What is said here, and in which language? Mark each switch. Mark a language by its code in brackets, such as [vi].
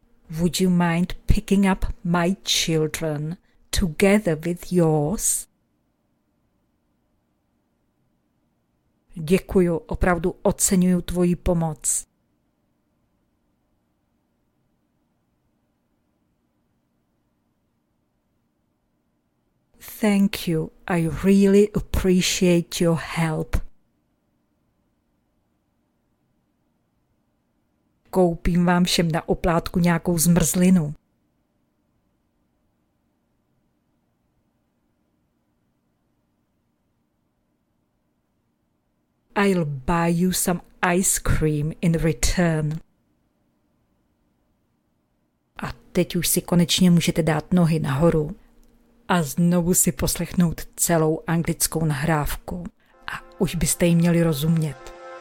[en] Would you mind picking up my children together with yours? [cs] Děkuju, opravdu oceňuju tvoji pomoc. [en] Thank you, I really appreciate your help. [cs] Koupím vám všem na oplátku nějakou zmrzlinu. [en] I'll buy you some ice cream in return. [cs] A teď už si konečně můžete dát nohy nahoru a znovu si poslechnout celou anglickou nahrávku. A už byste ji měli rozumět.